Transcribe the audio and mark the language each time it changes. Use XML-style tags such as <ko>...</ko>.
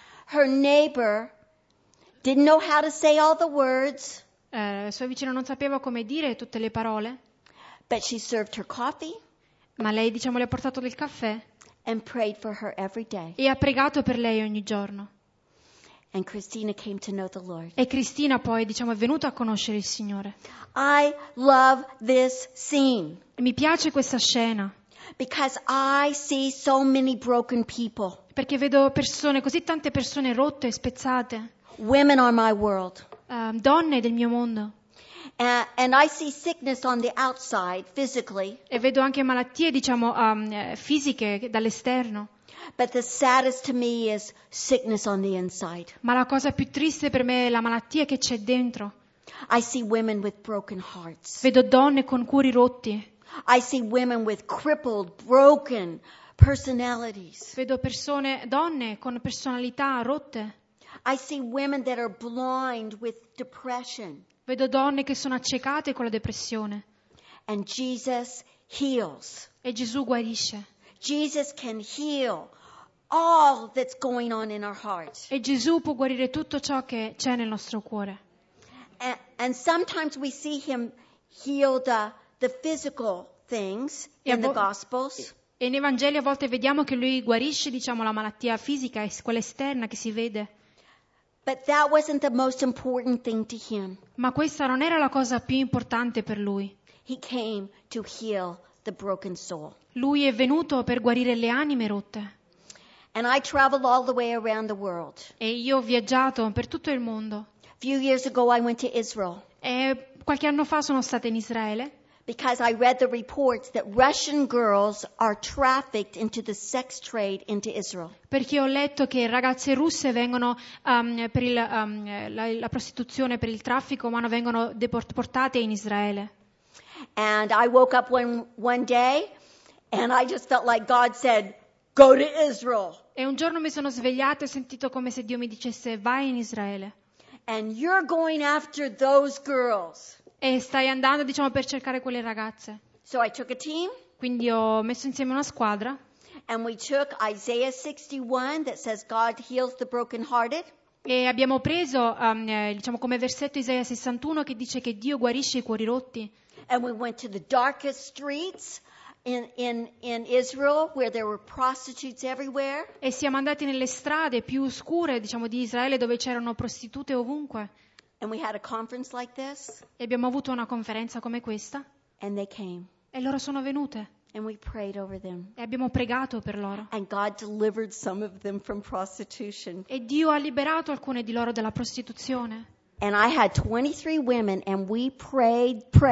<en>Her neighbor didn't know how to say all the words.</en> <it>Sua vicina non sapeva come dire tutte le parole.</it> <en>But she served her coffee.</en> <it>Ma lei, diciamo, le ha portato del caffè.</it> <en>And prayed for her every day.</en> <it>E ha pregato per lei ogni giorno.</it> <en>And Christina came to know the Lord.</en> <it>E Cristina poi, diciamo, è venuta a conoscere il Signore.</it> <en>I love this scene.</en> <it>E mi piace questa scena.</it> <en>Because I see so many broken people.</en> <it>Perché vedo persone, così tante persone rotte e spezzate.</it> <en>Women are my world.</en> <it>Donne del mio mondo.</it> <en>And I see sickness on the outside, physically.</en> <it>E vedo anche malattie, diciamo, fisiche dall'esterno.</it> <en>But the saddest to me is sickness on the inside.</en> <it>Ma la cosa più triste per me è la malattia che c'è dentro.</it> <en>I see women with broken hearts.</en> <it>Vedo donne con cuori rotti.</it> <en>I see women with crippled, broken personalities.</en> <it>Vedo persone, donne con personalità rotte.</it> <en>I see women that are blind with depression.</en> <it>Vedo donne che sono accecate con la depressione.</it> <en>And Jesus heals.</en> <it>E Gesù guarisce.</it> <en>Jesus can heal all that's going on in our hearts.</en> <it>E Gesù può guarire tutto ciò che c'è nel nostro cuore.</it> <en>And sometimes we see him heal the physical things in the Gospels.</en> <it>E nei Vangeli a volte vediamo che lui guarisce, diciamo, la malattia fisica, quella esterna che si vede.</it> <en>But that wasn't the most important thing to him.</en> <it>Ma questa non era la cosa più importante per lui.</it> <en>He came to heal the broken soul.</en> <it>Lui è venuto per guarire le anime rotte.</it> <en>And I traveled all the way around the world.</en> <it>E io ho viaggiato per tutto il mondo.</it> <en>Few years ago I went to Israel.</en> <it>E qualche anno fa sono stata in Israele.</it> <en>Because I read the reports that Russian girls are trafficked into the sex trade into Israel.</en> <it>Perché ho letto che ragazze russe vengono per la prostituzione, per il traffico umano, vengono deportate in Israele.</it> <en>And I woke up one day and I just felt like God said, "Go to Israel."</en> <it>E un giorno mi sono svegliata e ho sentito come se Dio mi dicesse, "Vai in Israele."</it> <en>And you're going after those girls.</en> <it>E stai andando, diciamo, per cercare quelle ragazze.</it> <en>So I took a team.</en> <it>Quindi ho messo insieme una squadra.</it> <en>And we took Isaiah 61 that says God heals the brokenhearted.</en> <it>E abbiamo preso, diciamo, come versetto Isaia 61 che dice che Dio guarisce i cuori rotti.</it> <en>And we went to the darkest streets in Israel where there were prostitutes everywhere.</en> <it>E siamo andati nelle strade più oscure, diciamo, di Israele dove c'erano prostitute ovunque.</it> <en>And we had a conference like this.</en> <it>E abbiamo avuto una conferenza come questa.</it> <en>And they came.</en> <it>E loro sono venute.</it> <en>And we prayed over them.</en> <it>E abbiamo pregato per loro.</it> <en>And God delivered some of them from prostitution.</en> <it>E Dio ha liberato alcune di loro dalla prostituzione.</it> <en>And I had 23 women and we prayed.</en>